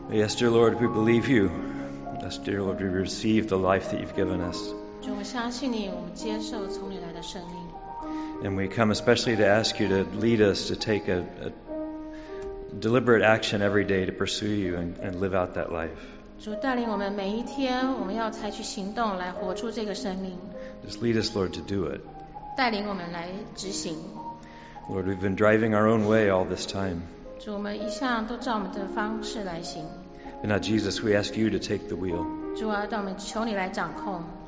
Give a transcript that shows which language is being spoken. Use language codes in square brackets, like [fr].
[en] Yes, dear Lord, we believe you. Yes, dear Lord, we receive the life that you've given us. [zh] 主, 我相信你, 我们接受从你来的生命。 [en] And we come especially to ask you to lead us to take a deliberate action every day to pursue you and live out that life. [zh] 主带领我们每一天，我们要采取行动来活出这个生命。 [en] Just lead us, Lord, to do it. [zh] 带领我们来执行。 [en] Lord, we've been driving our own way all this time. [zh] 主，我们一向都照我们的方式来行。 [en] And now, Jesus, we ask you to take the wheel. [zh] 主啊，让我们求你来掌控。